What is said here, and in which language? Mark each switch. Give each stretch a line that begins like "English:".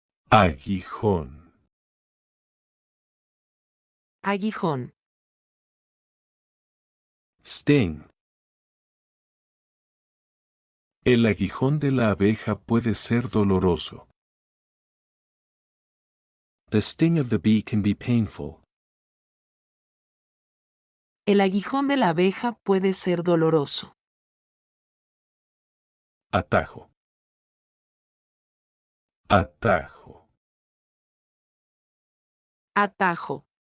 Spanish: Aguijón. Aguijón.
English: Sting.
Spanish: El aguijón de la abeja puede ser doloroso.
English: The sting of the bee can be painful.
Spanish: El aguijón de la abeja puede ser doloroso. Atajo. Atajo. Atajo.